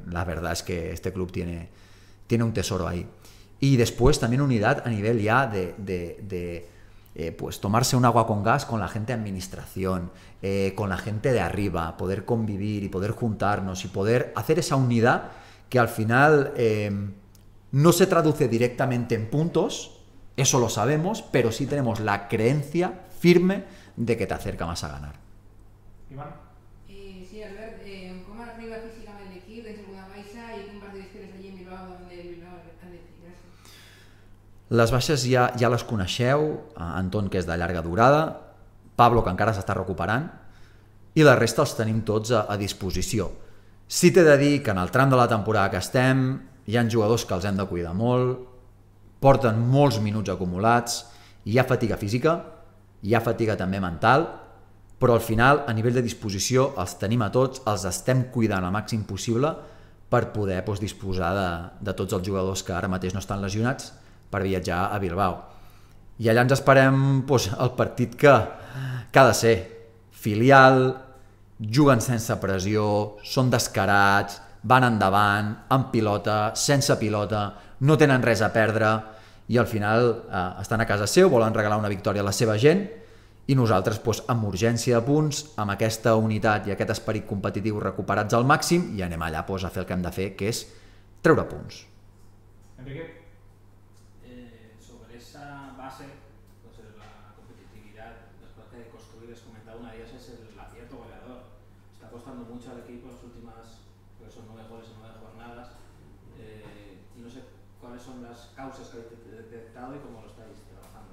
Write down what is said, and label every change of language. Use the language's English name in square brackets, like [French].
[Spanish] La verdad es que este club tiene un tesoro ahí. Y después también unidad a nivel ya de tomarse un agua con gas con la gente de administración, con la gente de arriba, poder convivir y poder juntarnos y poder hacer esa unidad que al final no se traduce directamente en puntos, eso lo sabemos, pero sí tenemos la creencia firme de que te acerca más a ganar. Iván. Sí, Albert, ¿cómo arriba físicamente el equipo de Segunda Baixa y un par de estrellas allí en Bilbao donde el Bilbao ha decidido? [Catalan] Las baixes ja les coneixeu, Anton, que és de llarga durada, Pablo, que encara s'està recuperant, i la resta els tenim tots a disposició. Sí, t'he de dir que en el tram de la temporada que estem hi ha jugadors que els hem de cuidar molt, porten molts minuts acumulats, hi ha fatiga física, hi ha fatiga també mental, però al final, a nivell de disposició, els tenim a tots, els estem cuidant al màxim possible per poder disposar de tots els jugadors que ara mateix no estan lesionats per viatjar a Bilbao. I allà ens esperem el partit que ha de ser filial, juguen sense pressió, són descarats, van endavant, amb pilota, sense pilota, no tenen res a perdre i al final estan a casa seu, volen regalar una victòria a la seva gent i nosaltres amb urgència de punts, amb aquesta unitat i aquest esperit competitiu recuperats al màxim i anem allà a fer el que hem de fer, que és treure punts. [Spanish] Enrique. Sobre esa base, la competitividad, después de construir, has comentado, una de ellas es el acierto goleador. Está costando mucho al equipo en las últimas, creo que son 9 goles en 9 jornadas. Y no sé cuáles son las causas que habéis detectado y cómo lo estáis trabajando.